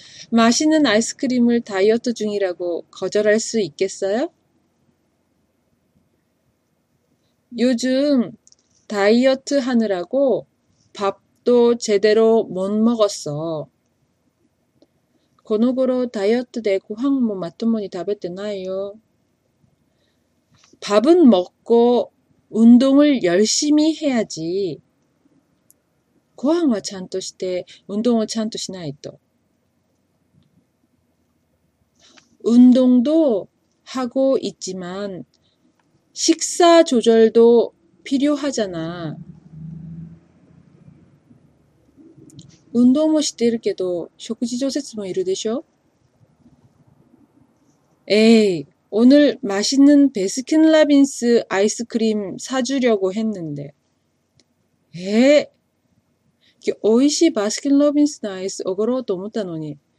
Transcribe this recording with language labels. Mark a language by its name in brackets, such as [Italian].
[Korean] 맛있는 아이스크림을 다이어트 중이라고 거절할 수 있겠어요? 요즘 다이어트 하느라고 밥도 제대로 못 먹었어. [Japanese] この頃ダイエットでご飯もまともに食べてないよ。 [Korean] 밥은먹고운동을열심히해야지。 [Japanese] ご飯はちゃんとして、運動をちゃんとしないと。 [Korean] 運動도하고있지만、식사조절도필요하잖아。 [Japanese] 運動もしてるけど、食事調節もいるでしょ？ [Korean] えい、오늘맛있는베스킨라빈스아이스크림사주려고했는데。 [Japanese] えい、美味しいバスキンロビンスのアイスおごろうと思ったのに。